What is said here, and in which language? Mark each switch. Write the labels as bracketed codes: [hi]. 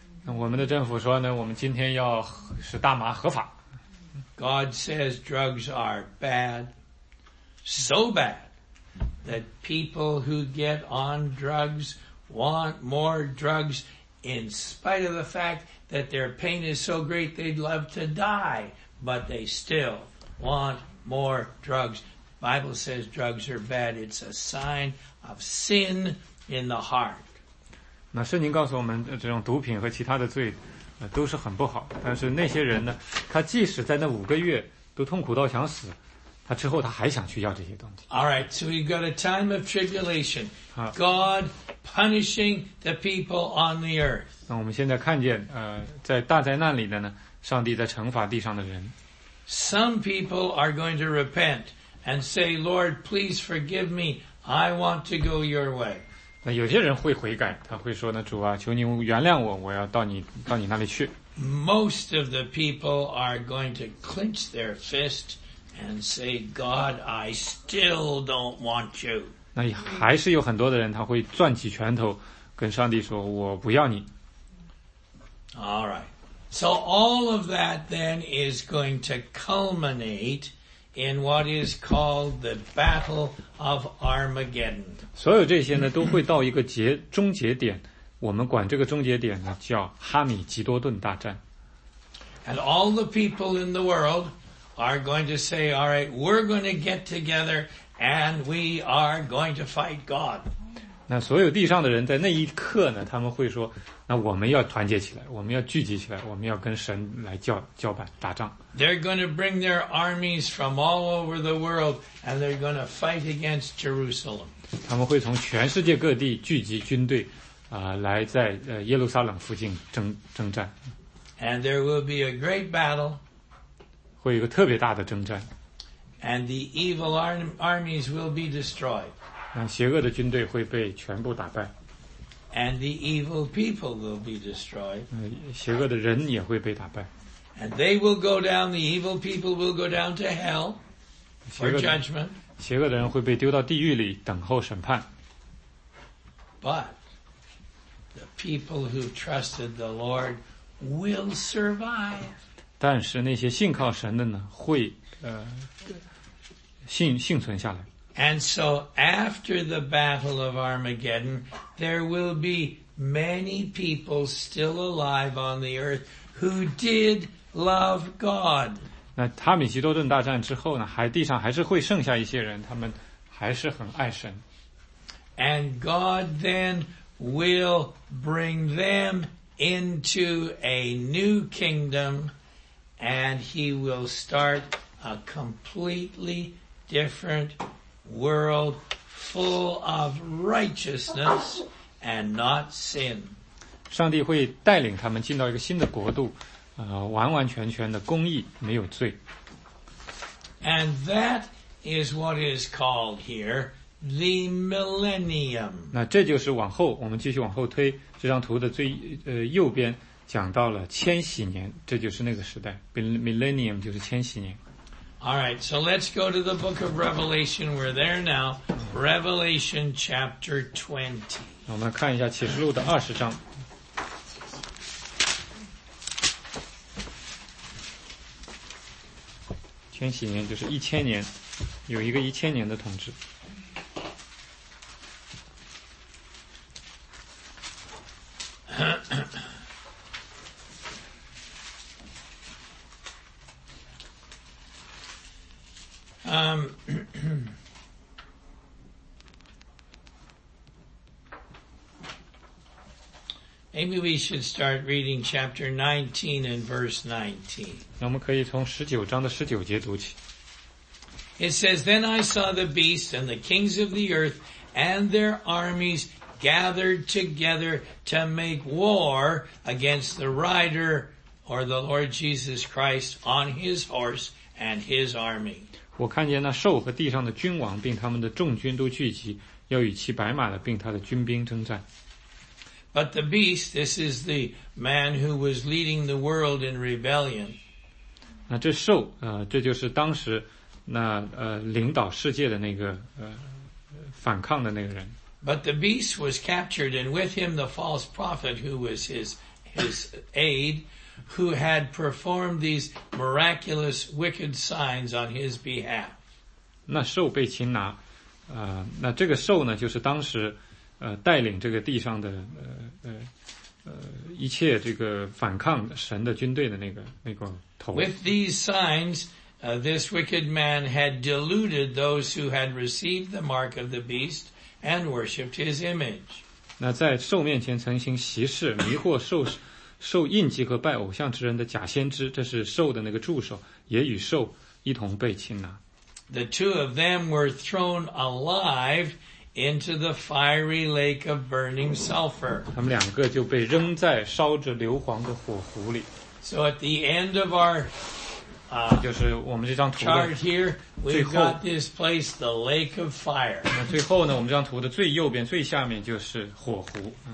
[zh] 我们的政府说呢，我们今天要使大麻合法。 [en] God says drugs are bad, so bad that people who get on drugs want more drugs, in spite of the fact that their pain is so great they'd love to die, but they still want more drugs. Bible says drugs are bad. It's a sign of sin in the heart. [zh] 那圣经告诉我们，这种毒品和其他的罪。都是很不好，但是那些人呢，他即使在那五个月都痛苦到想死，他之后他还想去要这些东西。 [en] All right, so we've got a time of tribulation. God punishing the people on the earth. [zh] 那我们现在看见，在大灾难里的呢，上帝在惩罚地上的人。 [en] Some people are going to repent and say, Lord, please forgive me. I want to go your way. [zh] 那有些人会悔改，他会说呢，主啊，求你原谅我，我要到你那里去。 [en] Most of the people are going to clench their fist and say, God, I still don't want you. [zh] 那还是有很多的人，他会攥起拳头跟上帝说，我不要你。 [en] All right. So all of that then is going to culminate in what is called the Battle of Armageddon. [zh] 所有这些呢都会到一个终结点，我们管这个终结点呢叫哈米吉多顿大战。 [en] And all the people in the world are going to say, all right, we're going to get together and we are going to fight God. [zh] 那所有地上的人在那一刻呢，他们会说，那我们要团结起来，我们要聚集起来，我们要跟神来叫板打仗。 [en] They're going to bring their armies from all over the world and they're going to fight against Jerusalem. [zh] 他们会从全世界各地聚集军队，来在耶路撒冷附近征战。 [en] And there will be a great battle. [zh] 会有一个特别大的征战。 [en] And the evil armies will be destroyed. [zh] 那邪恶的军队会被全部打败。 [en] And the evil people will be destroyed. [zh] 邪恶的人也会被打败。 [en] And they will go down, the evil people will go down to hell for judgment. [zh] 邪恶的人会被丢到地狱里等候审判。 [en] But the people who trusted the Lord will survive. [zh] 但是那些信靠神的呢，会幸存下来。 [en] And so after the Battle of Armageddon, there will be many people still alive on the earth who did love God. [zh] 那哈米吉多顿大战之后呢，还地上还是会剩下一些人，他们还是很爱神。 [en] And God then will bring them into a new kingdom, and he will start a completely different world full of righteousness and not sin. [zh] 上帝会带领他们进到一个新的国度，完完全全的公义，没有罪。 [en] And that is what is called here the millennium. [zh] 那这就是往后，我们继续往后推，这张图的最右边讲到了千禧年，这就是那个时代。 Millennium 就是千禧年。 [en] All right, so let's go to the book of Revelation. We're there now. Revelation chapter 20. [zh] 我们看一下启示录的二十章。千禧年就是一千年，有一个一千年的统治。 [en] Maybe we should start reading chapter 19 and verse 19. [zh] 我们可以从19章的19节读起。 [en] It says, Then I saw the beast and the kings of the earth and their armies gathered together to make war against the rider or the Lord Jesus Christ on his horse and his army. [zh] 我看见那兽和地上的君王并他们的众军都聚集，要与骑白马的并他的军兵征战。 [en] But the beast, this is the man who was leading the world in rebellion. [zh] 那这兽，这就是当时那领导世界的那个反抗的那个人。 [en] But the beast was captured, and with him the false prophet, who was his aide, who had performed these miraculous wicked signs on his behalf. [zh] 那兽被擒拿，那这个兽呢，就是当时带领这个地上的一切这个反抗神的军队的那个头。 [en] With these signs, this wicked man had deluded those who had received the mark of the beast and worshipped his image. [zh] 那在兽面前曾行奇事，迷惑受印记和拜偶像之人的假先知，这是兽的那个助手，也与兽一同被擒拿。 [en] The two of them were thrown alive into the fiery lake of burning sulfur. [zh] 他们两个就被扔在烧着硫磺的火湖里。 [en] So at the end of our, chart here, we've got this place, the lake of fire. [zh] 那最后呢，我们这张图的最右边、最下面就是火湖。